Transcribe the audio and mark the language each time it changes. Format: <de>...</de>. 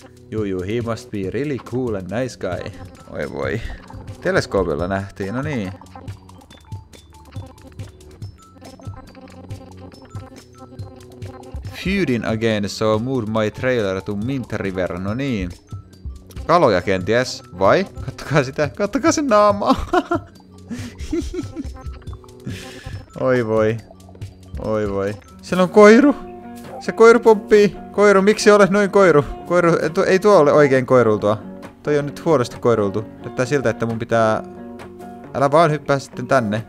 <fi>Juu juu,</fi> <en>he must be really cool and nice guy.</en> <fi>Oi voi. Teleskoopilla nähtiin, no niin.</fi> <en>Feuding again, so moved my trailer to Mint River,</en> <fi>no niin. Kaloja kenties, vai? Kattokaa sitä, kattokaa sen naamaa. Oi voi. Oi voi. Siellä on koiru. Se koiru pomppii. Koiru, miksi olet noin koiru? Koiru, ei tuo ole oikein koirultua. Toi on nyt huonosti koirultu. Näyttää siltä, että mun pitää... Älä vaan hyppää sitten tänne.</fi>